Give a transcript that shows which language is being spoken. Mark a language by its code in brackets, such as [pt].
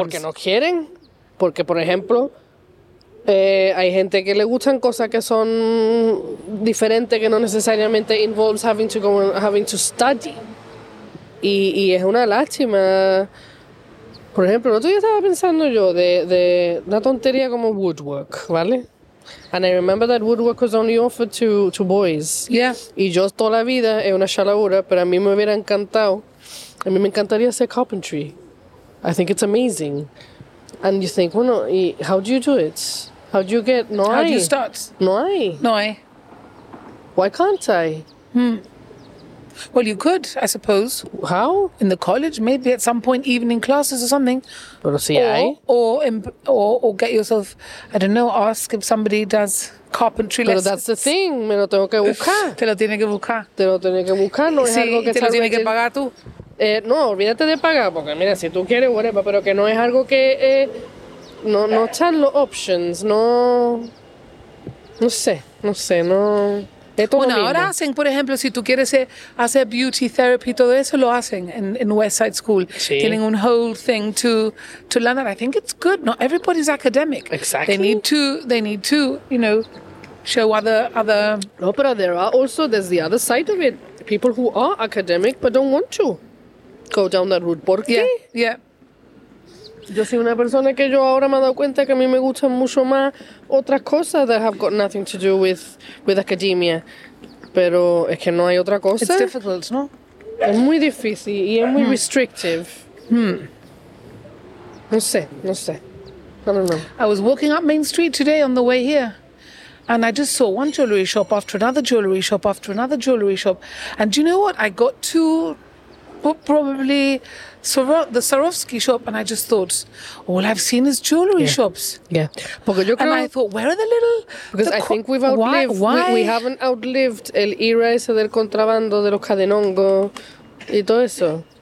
[es] O porque no quieren. Porque, por ejemplo, hay gente que le gustan cosas que son diferentes, que no necesariamente [en] involves having to study. [es] Y es una lástima. Por ejemplo, el otro día estaba pensando yo de una tontería como woodwork, ¿vale? [en] And I remember that woodwork was only offered to boys. Yeah. [es] Y yo toda la vida, es una chalabura, pero a mí me hubiera encantado, a mí me encantaría hacer carpentry. [en] I think it's amazing. And you think, [es] bueno, y [en] how do you do it? How do you get, no how [es] hay. [en] How do you start? [es] No hay. No hay. [en] Why can't I? Well, you could, I suppose. How? In the college, maybe at some point, even in classes or something. [es] Pero si hay. [en] Or get yourself, I don't know, ask if somebody does carpentry lessons. [es] Pero [en] that's the thing. [es] Me lo tengo que buscar. Te lo tiene que buscar. Te lo tiene que buscar. No es sí, algo que te lo tiene que pagar tú. No, olvídate de pagar, porque mira, si tú quieres, whatever, pero que no es algo que... No están los options, no... No sé, no... Bueno, ahora hacen, por ejemplo, si tú quieres hacer beauty therapy, todo eso lo hacen en Westside School. Sí. Tienen un [en] whole thing to learn that. I think it's good. Not everybody's academic. Exactly. They need to, you know, show other... No, but there are also, there's the other side of it. People who are academic but don't want to go down that route. [es] ¿Por qué? [en] Yeah. [es] Yo soy una persona que yo ahora me he dado cuenta que a mí me gustan mucho más otras cosas [en] that have got nothing to do with academia. [es] Pero es que no hay otra cosa. [en] It's difficult, ¿no? [es] Es muy difícil y es muy restrictive. No sé. [en] I don't know. I was walking up Main Street today on the way here. And I just saw one jewelry shop after another jewelry shop after another jewelry shop. And do you know what? I got to... But probably the Swarovski shop, and I just thought, all I've seen is jewelry shops. Yeah. [es] Yo creo, [en] and I thought, where are the little... Because the I think we've outlived... Why? We haven't outlived [es] el era ese del contrabando, de los cadenongo, y todo eso.